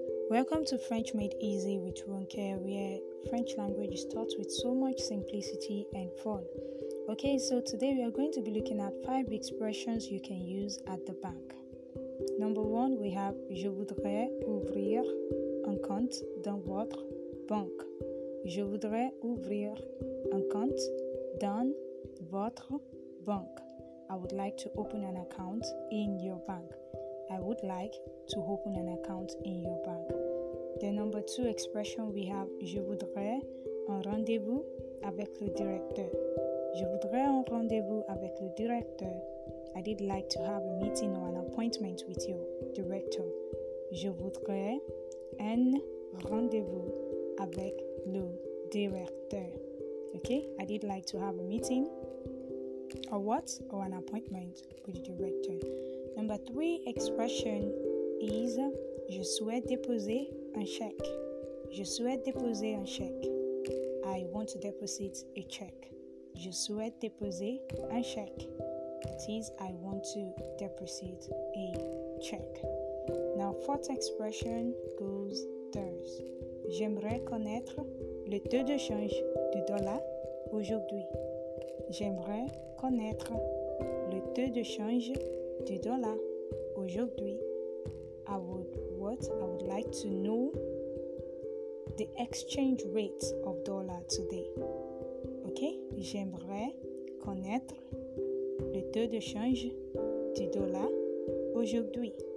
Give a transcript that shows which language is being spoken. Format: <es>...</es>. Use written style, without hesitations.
<en>Welcome to French Made Easy with Ronke, where French language is taught with so much simplicity and fun. Okay, so today we are going to be looking at 5 expressions you can use at the bank. Number 1, we have</en> <fr>Je voudrais ouvrir un compte dans votre banque. Je voudrais ouvrir un compte dans votre banque.</fr> <en>I would like to open an account in your bank. I would like to open an account in your bank. The number 2 expression we have,</en> <fr>je voudrais un rendez-vous avec le directeur. Je voudrais un rendez-vous avec le directeur.</fr> <en>I did like to have a meeting or an appointment with your director.</en> <fr>Je voudrais un rendez-vous avec le directeur.</fr> <en>Okay, I did like to have a meeting or what? Or an appointment with the director. Number 3 expression is,</en> <fr>je souhaite déposer un chèque. Je souhaite déposer un chèque.</fr> <en>I want to deposit a check.</en> <fr>Je souhaite déposer un chèque.</fr> <en>It is, I want to deposit a check. Now, 4th expression goes thus.</en> <fr>J'aimerais connaître le taux de change du dollar aujourd'hui. J'aimerais connaître le taux de change du dollar aujourd'hui.</fr> <en>I would like to know the exchange rate of dollar today.</en> <fr>Okay, j'aimerais connaître le taux de change du dollar aujourd'hui.</fr>